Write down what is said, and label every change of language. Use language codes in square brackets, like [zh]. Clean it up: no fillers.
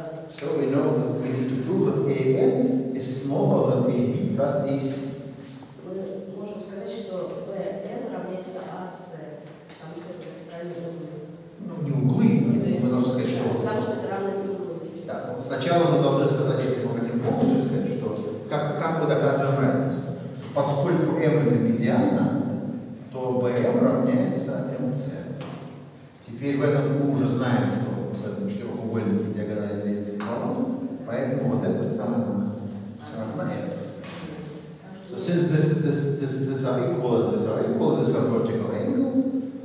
[en] So we know that we need to prove that AN is smaller than AB, thus AC. [ru] Мы можем сказать, что BN равняется AC, потому что это вертикальные углы. Ну, не углы, мы должны сказать, что... Потому что это равно углу. Так, сначала мы должны сказать, если мы хотим полностью сказать, что... Как мы доказываем равенство? Поскольку M это медиана, то BM равняется MC. Теперь в этом мы уже знаем, что в этом четырехугольнике диагональ делится пополам, поэтому вот эта сторона равна этой стороне. [en] So since this are equal and this are vertical angles,